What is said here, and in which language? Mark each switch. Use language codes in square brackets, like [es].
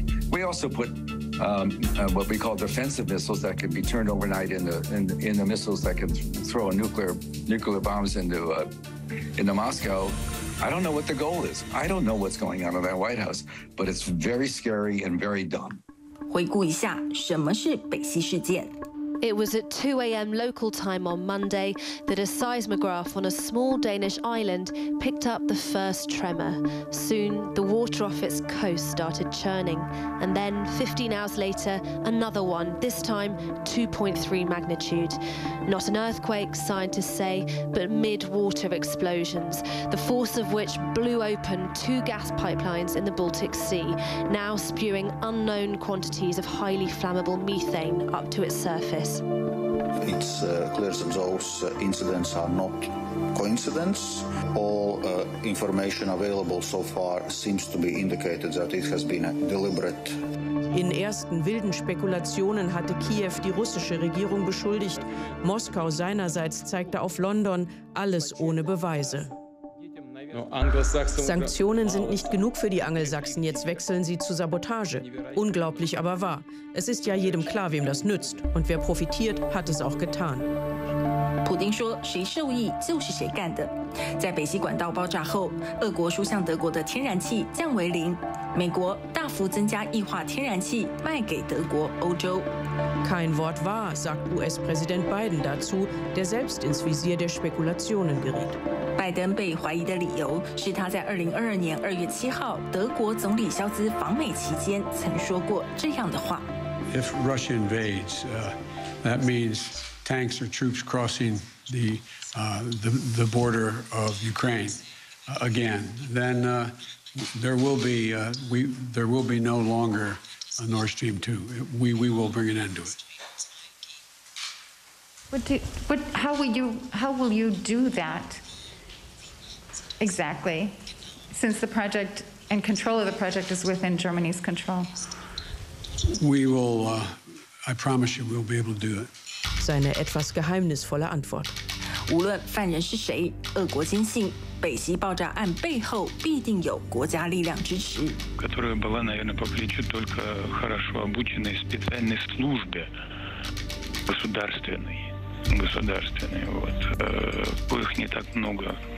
[en] We also put what we call defensive missiles that can be turned overnight into missiles that can throw nuclear bombs into Moscow. I don't know what the goal is. I don't know what's going on in that White House, but it's very scary and very dumb. [zh] 回顾一下，什么是北溪事件？ [en] It was at 2 a.m. local time on Monday that a seismograph on a small Danish island picked up the first tremor. Soon, the water off its coast started churning. And then, 15 hours later, another one, this time 2.3 magnitude. Not an earthquake, scientists say, but mid-water explosions, the force of which blew open two gas pipelines in the Baltic Sea, now spewing unknown quantities of highly flammable methane up to its surface. It's clear that those incidents are not coincidence. All information available so far seems to be indicated that it has been deliberate. [de] In ersten wilden Spekulationen hatte Kiew die russische Regierung beschuldigt. Moskau seinerseits zeigte auf London alles ohne Beweise. Sanktionen sind nicht genug für die Angelsachsen. Jetzt wechseln sie zu Sabotage. Unglaublich, aber wahr. Es ist ja jedem klar, wem das nützt. Und wer profitiert, hat es auch getan. [zh] Putin 说，谁受益就是谁干的。在北溪管道爆炸后，俄国输向德国的天然气降为零。美国大幅增加液化天然气卖给德国、欧洲。 [de] Kein Wort wahr, sagt US-Präsident Biden dazu, der selbst ins Visier der Spekulationen geriet. [zh] 拜登被怀疑的理由是他在2022年2月7号德国总理肖兹访美期间曾说过这样的话。 [en] If Russia invades, that means tanks or troops crossing the border of Ukraine again. Then there will be no longer a Nord Stream 2. We will bring an end to it. How will you do that? Exactly, since the project and control of the project is within Germany's control. We will, I promise you, we'll be able to do it. [de] Seine etwas geheimnisvolle Antwort. [zh] 无论犯人是谁，俄国坚信北溪爆炸案背后必定有国家力量支持。 [ru] Которая была, наверное, по плечу только хорошо обученной специальной службе государственной, вот, коих не так много.